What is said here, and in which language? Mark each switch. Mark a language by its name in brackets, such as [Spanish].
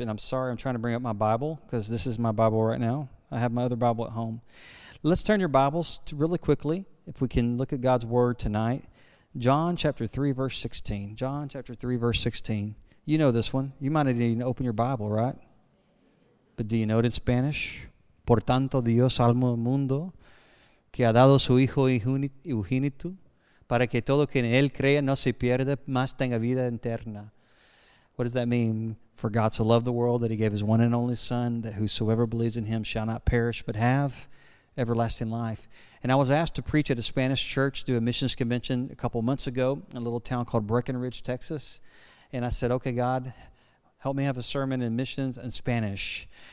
[English] And I'm sorry, I'm trying to bring up my Bible because this is my Bible right now. I have my other Bible at home. Let's turn your Bibles to really quickly, if we can look at God's Word tonight. John chapter 3, verse 16. John chapter 3, verse 16. You know this one. You might need to open your Bible, right? But do you know it in Spanish? [Spanish] Por tanto, Dios amó al mundo, que ha dado su Hijo unigénito, para que todo quien en él crea no se pierda, mas tenga vida eterna. [English] What does that mean? For God so loved the world that he gave his one and only Son, that whosoever believes in him shall not perish, but have everlasting life. And I was asked to preach at a Spanish church, do a missions convention a couple months ago in a little town called Breckenridge, Texas. And I said, okay, God, help me have a sermon in missions in Spanish.